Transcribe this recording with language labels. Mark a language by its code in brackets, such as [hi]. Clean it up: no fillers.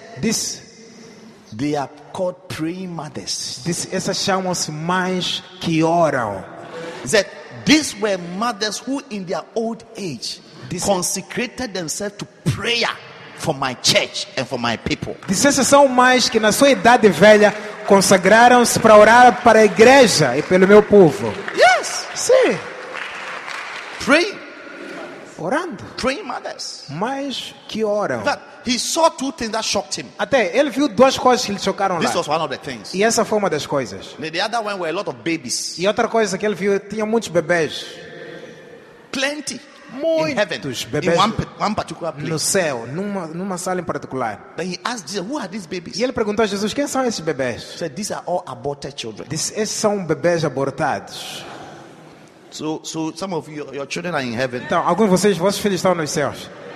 [en] this, they are called praying mothers. [pt] This, essas chamam-se mães que oram. [en] He said, these were mothers who in their old age consecrated themselves to pray. prayer for my church and for my people. [pt] Disse são mais que na sua idade velha consagraram-se para orar para a igreja e pelo meu povo. [en] Yes. [pt] Sim. [en] Pray. [pt] Orando. [en] Pray mothers. [pt] Mas que oram. [en] That he saw two things that shocked him. [pt] Até ele viu duas coisas que lhe chocaram [en] this [pt] lá. [en] This was one of the things. [pt] E essa foi uma das coisas. [en] The other one were a lot of babies. [pt] E outra coisa que ele viu tinha muitos bebês. [en] Plenty. [pt] Muitos [en] in heaven, [pt] bebês [en] in one particular place. [pt] No céu, numa sala em particular. [en] Then he asked Jesus, "Who are these babies?" [pt] E ele perguntou a Jesus, "Quem são esses bebês?" [en] He said, "These are all aborted children." [pt] Esses são bebês abortados. [en] So some of your children are in heaven. [pt] Então, alguns de vocês, vossos filhos estão nos céus.